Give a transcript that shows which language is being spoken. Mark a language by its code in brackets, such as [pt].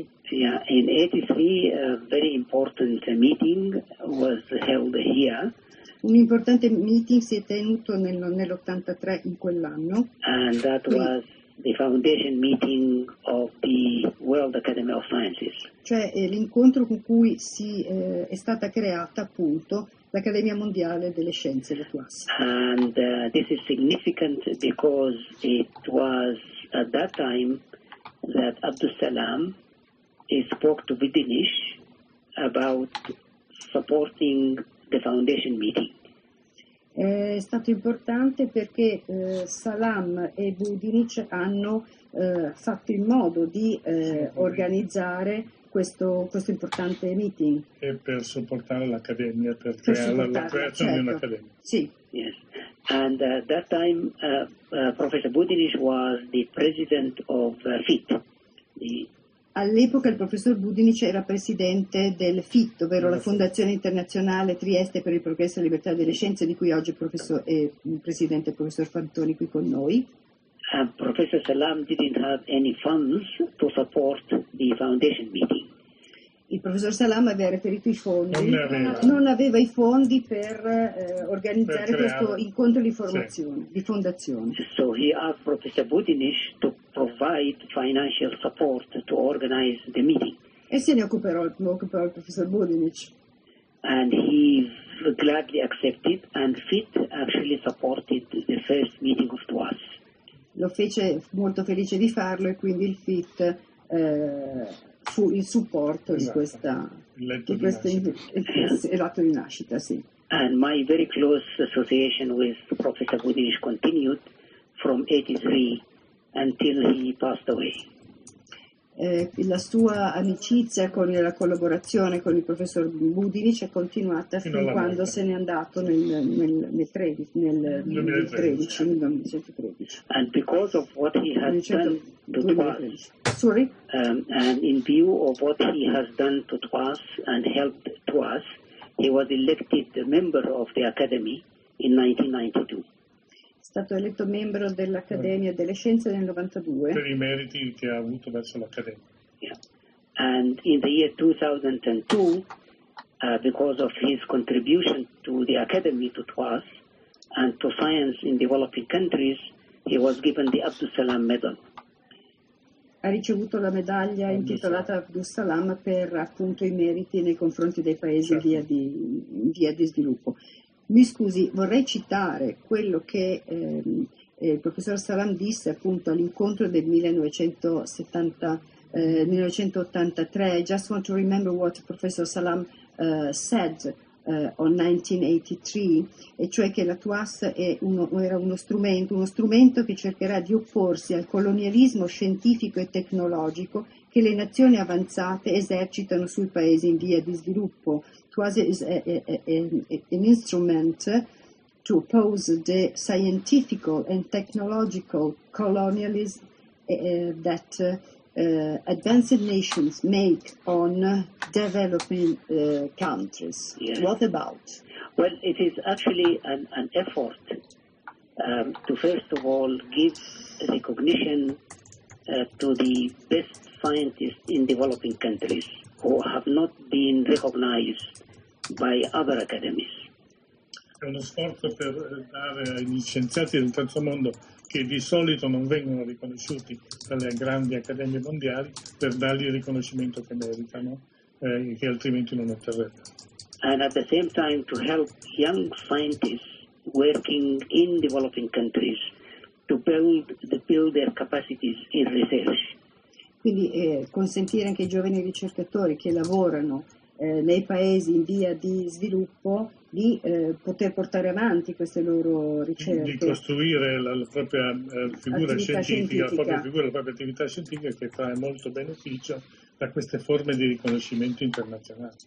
[en] Yeah, in 83 a very important meeting was held here. [it] Un importante meeting si è tenuto nell'83 in quell'anno. And that was the foundation meeting of the World Academy of Sciences. Cioè l'incontro con cui si è stata creata appunto l'Accademia Mondiale delle Scienze, la TUAS. And this is significant because it was at that time that Abdussalam spoke to Bubinic about supporting the foundation meeting. È stato importante perché Salam e Bubinic hanno fatto in modo di organizzare questo importante meeting. E per supportare l'Accademia, per creare la creazione, certo, di un'Accademia. Sì. [en] Yes. And at that time Professor Bubinic was the president of FIT. [it] All'epoca il professor Bubinic era presidente del FIT, ovvero la Fondazione Internazionale Trieste per il Progresso e la Libertà delle Scienze, di cui oggi il presidente il professor Fantoni qui con noi. [en] Professor Salam didn't have any funds to support the foundation meeting. [it] Il professor Salam aveva reperito i fondi, non aveva i fondi per organizzare questo incontro di formazione, sì, di fondazione. [en] So he asked Professor Bubinic to provide financial support to organize the meeting. [it] E se ne occuperò il professor Budinich. [en] And he gladly accepted and fit actually supported the first meeting of TWAS. [it] Lo fece molto felice di farlo e quindi il FIT fu il supporto, esatto, l'atto di nascita, sì. [en] And my very close association with Professor Budinich continued from 83 until he passed away. [it] La sua amicizia con la collaborazione con il professor Budinich è continuata fin quando se n'è andato nel 2013. [en] And because of what he has done to TWAS and helped TWAS, he was elected member of the Academy in 1992. [it] È stato eletto membro dell'Accademia delle Scienze nel 92. Per i meriti che ha avuto verso l'Accademia. [en] Yeah. And in the year 2002, because of his contribution to the Academy, to TWAS, and to science in developing countries, he was given the Abdus Salam Medal. [it] Ha ricevuto la medaglia intitolata Abdus Salam per appunto i meriti nei confronti dei paesi in via di sviluppo. Mi scusi, vorrei citare quello che il professor Salam disse appunto all'incontro del 1983. [en] I just want to remember what Professor Salam said on 1983, [it] e cioè che la TWAS era uno strumento che cercherà di opporsi al colonialismo scientifico e tecnologico che le nazioni avanzate esercitano sui paesi in via di sviluppo. [en] TWAS is an instrument to oppose the scientific and technological colonialism that advanced nations make on developing countries. Yes. What about? Well, it is actually an effort to first of all give recognition to the best scientists in developing countries who have not been recognized by other academies. [it] È uno sforzo per dare agli scienziati del terzo mondo, che di solito non vengono riconosciuti dalle grandi accademie mondiali, per dargli il riconoscimento che meritano e che altrimenti non otterrebbero. And at the same time to help young scientists working in developing countries to build their capacities in research. Quindi consentire anche ai giovani ricercatori che lavorano nei paesi in via di sviluppo di poter portare avanti queste loro ricerche. Di costruire la propria figura scientifica, la propria attività scientifica che trae molto beneficio da queste forme di riconoscimento internazionale.